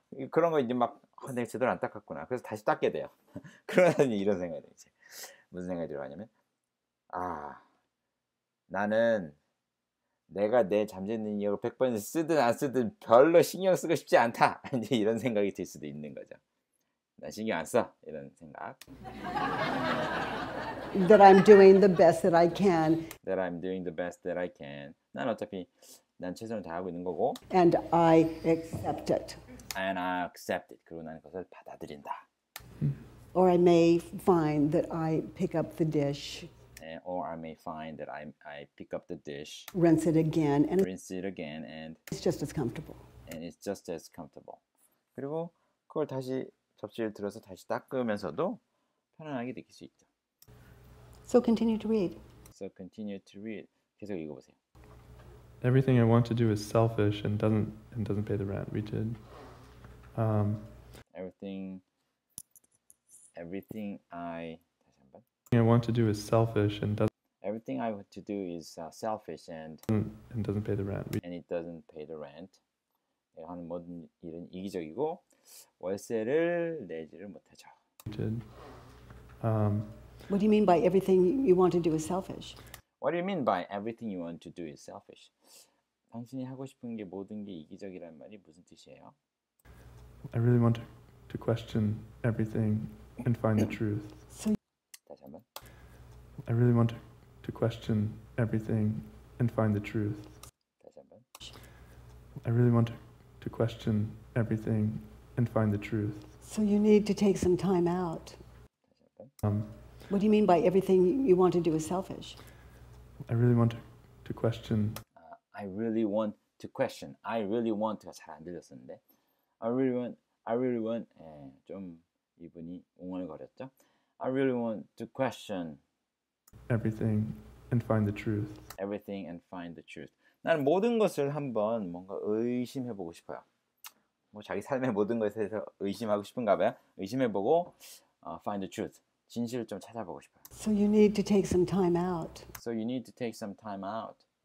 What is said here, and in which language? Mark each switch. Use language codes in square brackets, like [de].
[ko] 그런 거 이제 막 내가 제대로 안 닦았구나. 그래서 다시 닦게 돼요. 그러더니 이런 생각이 들어요. 이제 무슨 생각이 들어가냐면 아 나는 내가 내 잠재 능력을 100번 쓰든 안 쓰든 별로 신경 쓰고 싶지 않다. 이제 이런 생각이 들 수도 있는 거죠. 나 신경 안 써. 이런 생각. [en] That I'm doing the best that I can. That I'm doing the best that I can. [ko] 난 어차피 난 최선을 다하고 있는 거고. [en] And I accept it. And I accept it. [ko] 그리고 나는 그것을 받아들인다. [en] Or I may find that I pick up the dish. Or I may find that I pick up the dish, rinse it again, and it's just as comfortable. And it's just as comfortable. [ko] 그리고 그걸 다시 접시를 들어서 다시 닦으면서도 편안하게 느낄 수 있죠. [en] So continue to read. [ko] 계속 읽어보세요. [en] Everything I want to do is selfish and doesn't pay the rent. We did. Everything I. Everything I want to do is selfish and doesn't. Everything I want to do is selfish and doesn't pay the rent. And it doesn't pay the rent. [ko] 내가 하는 모든 일은 이기적이고 월세를 내지를 못하죠. [en] What do you mean by everything you want to do is selfish? What do you mean by everything you want to do is selfish? [ko] 당신이 하고 싶은 게 모든 게 이기적이란 말이 무슨 뜻이에요? [en] I really want to question everything and find the truth. I really want to question everything and find the truth. I really want to question everything and find the truth. So you need to take some time out. What do you mean by everything you want to do is selfish? I really want to question. I really want to question. I really want [ko] 가 잘 안 들렸었는데. [en] I really want [ko] 예, 좀 이분이 웅얼거렸죠. [en] I really want to question everything and find the truth. Everything and find the truth. [ko] 나는 모든 것을 한번 뭔가 의심해 보고 싶어요. 뭐 자기 삶의 모든 것에 대해서 의심하고 싶은가 봐요. 의심해 보고 [en] find the truth. [ko] 진실을 좀 찾아보고 싶어요. [en] So you need to take some time out. So you need to take some time out.